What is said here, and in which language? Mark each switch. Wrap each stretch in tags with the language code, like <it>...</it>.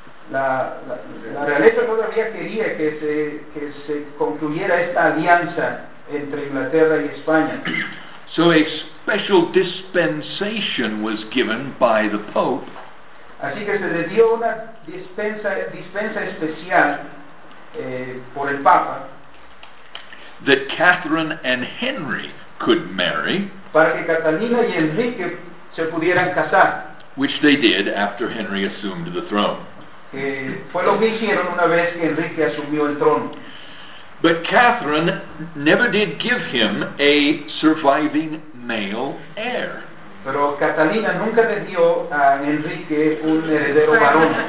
<es>La realeza todavía quería que se concluyera esta alianza entre Inglaterra y España.</es> <en>So a special dispensation was given by the Pope.</en> <es>Así que se le dio una dispensa especial por el Papa.</es> <en>That Catherine and Henry could marry.</en> <es>Para que Catalina y Enrique se pudieran casar.</es> <en>Which they did after Henry assumed the throne.</en> <es>Que fue lo que hicieron una vez que Enrique asumió el trono.</es> <en>But Catherine never did give him a surviving male heir.</en> <es>Pero Catalina nunca le dio a Enrique un heredero varón.</es>